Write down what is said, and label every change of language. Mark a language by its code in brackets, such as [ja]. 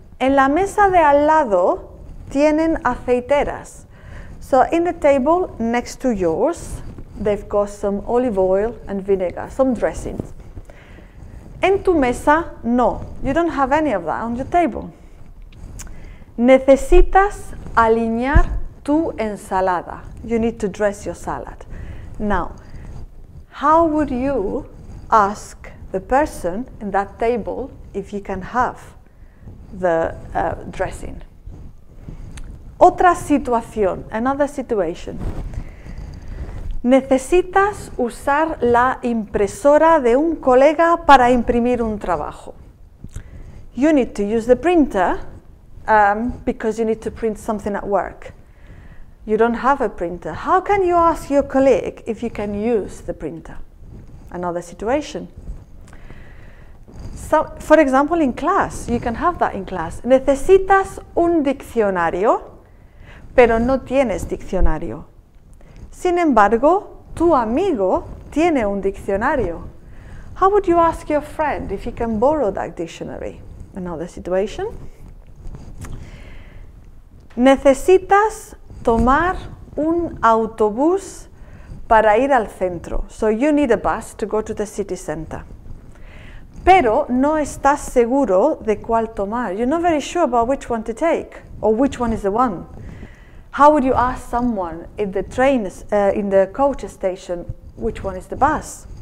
[es] En la mesa de al lado tienen aceiteras. [en] So, in the table next to yours, they've got some olive oil and vinegar, some dressings. [es] En tu mesa, no. [en] You don't have any of that on your table. [es] Necesitas alinear tu ensalada. [en] You need to dress your salad. Now, how would you ask the person in that table if he can have the dressing? [es] Otra situación, [en] another situation. [es] Necesitas usar la impresora de un colega para imprimir un trabajo. [en] You need to use the printer because you need to print something at work. You don't have a printer. How can you ask your colleague if you can use the printer? Another situation. So, for example, in class, you can have that in class. [es] Necesitas un diccionario, pero no tienes diccionario. Sin embargo, tu amigo tiene un diccionario. [en] How would you ask your friend if he can borrow that dictionary? Another situation. [es] Necesitas tomar un autobús para ir al centro. [en] So you need a bus to go to the city center. [es] Pero no estás seguro de cuál tomar. [en] You're not very sure about which one to take or which one is the one. How would you ask someone in the train, in the coach station, which one is the bus?